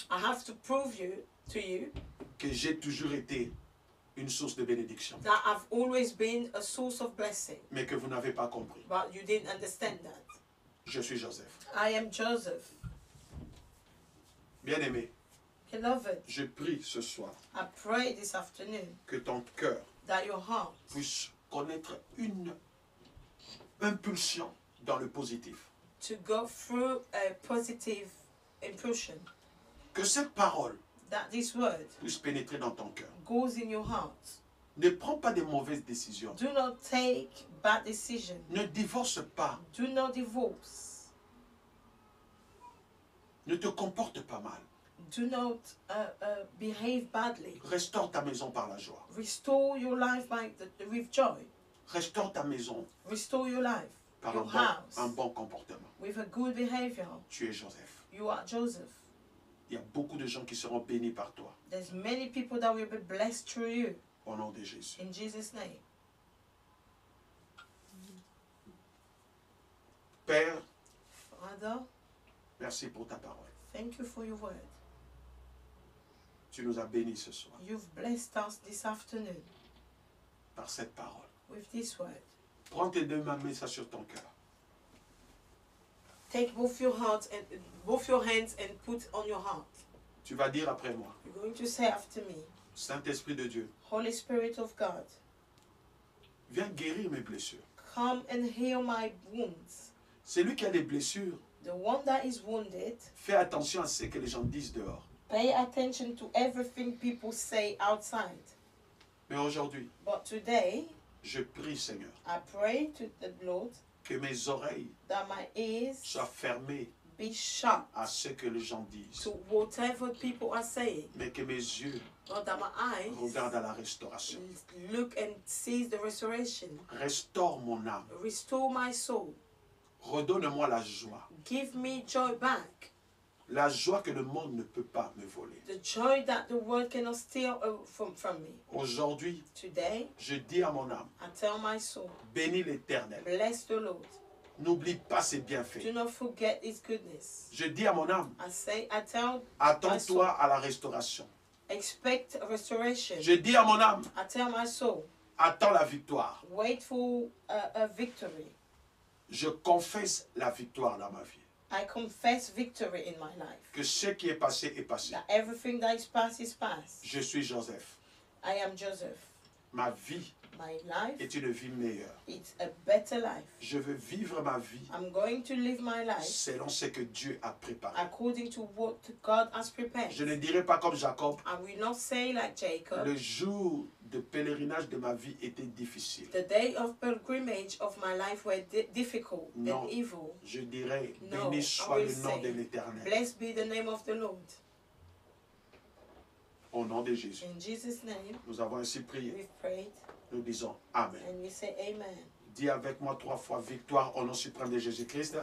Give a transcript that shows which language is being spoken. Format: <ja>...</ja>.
<en>I have to prove you to you.</en> <fr>Que j'ai toujours été une source de bénédiction.</fr> <en>That I've always been a source of blessing.</en> <fr>Mais que vous n'avez pas compris.</fr> <en>But you didn't understand that.</en> <fr>Je suis Joseph.</fr> <en>I am Joseph.</en> <fr>Bien-aimé.</fr> <en>Beloved.</en> <fr>Je prie ce soir.</fr> <en>I pray this afternoon.</en> <fr>Que ton cœur.</fr> <en>That your heart.</en> <fr>Puisse connaître une impulsion dans le positif.</fr> <en>To go through a positive impulsion.</en> <fr>Que cette parole.</fr> <en>That this word</en> <fr>puisse pénétrer dans ton cœur.</fr> <en>Goes in your heart.</en> <fr>Ne prends pas de mauvaises décisions.</fr> <en>Do not take bad decisions.</en> <fr>Ne divorce pas.</fr> <en>Do not divorce.</en> <fr>Ne te comporte pas mal.</fr> <en>Do not behave badly.</en> <fr>Restaure ta maison par la joie.</fr> <en>Restore your life by with joy.</en> <fr>Restaure ta maison.</fr> <en>Restore your life.</en> <fr>Par</fr> <en>your</en> <fr>un bon comportement.</fr> <en>With a good behavior.</en> <fr>Tu es Joseph.</fr> <en>You are Joseph.</en> <fr>Il y a beaucoup de gens qui seront bénis par toi.</fr> <en>There's many people that will be blessed through you.</en> <fr>Au nom de Jésus.</fr> <en>In Jesus' name.</en> <fr>Père.</fr> <en>Father.</en> <fr>Merci pour ta parole.</fr> <en>Thank you for your word.</en> <fr>Tu nous as bénis ce soir.</fr> <en>You've blessed us this afternoon.</en> <fr>Par cette parole.</fr> <en>With this word.</en> <fr>Prends tes deux mains, mets ça sur ton cœur.</fr> <en>Take both your hands and put on your heart.</en> <fr>Tu vas dire après moi.</fr> <en>You're going to say after me.</en> <fr>Saint-Esprit de Dieu.</fr> <en>Holy Spirit of God.</en> <fr>Viens guérir mes blessures.</fr> <en>Come and heal my wounds.</en> <fr>Celui qui a des blessures.</fr> <en>The one that is wounded.</en> <fr>Fais attention à ce que les gens disent dehors.</fr> <en>Pay attention to everything people say outside.</en> <fr>Mais aujourd'hui.</fr> <en>But today.</en> <fr>Je prie, Seigneur.</fr> <en>I pray to the Lord.</en> <fr>Que mes oreilles.</fr> <en>That my ears.</en> <fr>Soient fermées.</fr> <en>Be shut</en> <fr>à ce que les gens disent.</fr> <en>To whatever people are saying.</en> <fr>Mais que mes yeux regardent à la restauration.</fr> <en>Look and see the restoration.</en> <fr>Restaure mon âme.</fr> <en>Restore my soul.</en> <fr>Redonne-moi la joie.</fr> <en>Give me joy back.</en> <fr>La joie que le monde ne peut pas me voler.</fr> <en>The joy that the world cannot steal from me.</en> <fr>Aujourd'hui,</fr> <en>today,</en> <fr>je dis à mon âme.</fr> <en>I tell my soul.</en> <fr>Bénis l'Éternel.</fr> <en>Bless the Lord.</en> <fr>N'oublie pas ses bienfaits.</fr> <en>Do not forget his goodness.</en> <fr>Je dis à mon âme.</fr> <en>I tell</en> <fr>attends-toi à la restauration.</fr> <en>Expect restoration.</en> <fr>Je dis à mon âme.</fr> <en>I tell my soul.</en> <fr>Attends la victoire.</fr> <en>Wait for a victory.</en> <fr>Je confesse la victoire dans ma vie.</fr> <en>I confess victory in my life.</en> <fr>Que ce qui est passé est passé.</fr> <en>That everything that is past is past.</en> <fr>Je suis Joseph.</fr> <en>I am Joseph.</en> <fr>Ma vie.</fr> <en>My life</en> <fr>est une vie meilleure.</fr> <en>It's a better life.</en> <fr>Je veux vivre ma vie.</fr> <en>I'm going to live my life.</en> <fr>Selon ce que Dieu a préparé.</fr> <en>According to what God has prepared.</en> <fr>Je ne dirai pas comme Jacob.</fr> <en>I will not say like Jacob.</en> <fr>Le jour de pèlerinage de ma vie était difficile.</fr> <en>The day of pilgrimage of my life were difficult</en> <fr>non,</fr> <en>and evil.</en> <fr>Je dirai, béni soit le nom de l'Éternel.</fr> <en>Blessed be the name of the Lord.</en> <fr>Au nom de Jésus.</fr> <en>In Jesus' name.</en> <fr>Nous avons ainsi prié.</fr> <en>We've prayed.</en> <fr>Nous disons Amen.</fr> <en>And we say Amen.</en> <fr>Dis avec moi trois fois victoire au nom suprême de Jésus-Christ.</fr>